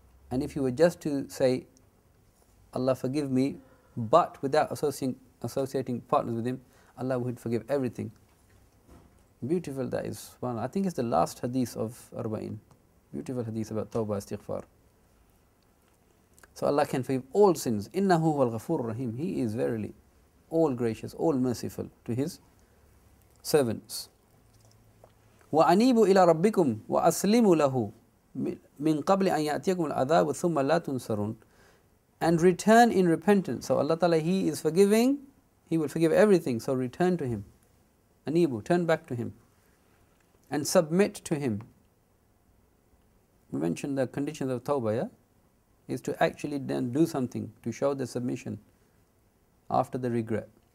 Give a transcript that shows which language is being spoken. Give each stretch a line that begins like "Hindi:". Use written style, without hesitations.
English: And if you were just to say, Allah forgive me, but without associating partners with Him, Allah would forgive everything. Beautiful that is. Well, I think it's the last hadith of Arba'in. Beautiful hadith about Tawbah, Istighfar. So Allah can forgive all sins.
Arabic: إِنَّهُ هُوَ الْغَفُورُ الرَّحِيمُ
English: He is verily all gracious, all merciful to His servants.
Arabic: وَأَنِيبُوا إِلَىٰ رَبِّكُمْ وَأَسْلِمُوا لَهُ مِنْ قَبْلِ أَنْ يَأْتِيَكُمُ الْعَذَابُ ثُمَّ لَا تُنْصَرُونَ
English: And return in repentance. So Allah Ta'ala, He is forgiving, He will forgive everything. So return to Him. Anibu, turn back to Him. And submit to Him. We mentioned the conditions of Tawbah, yeah? Is to actually then do something to show the submission after the regret.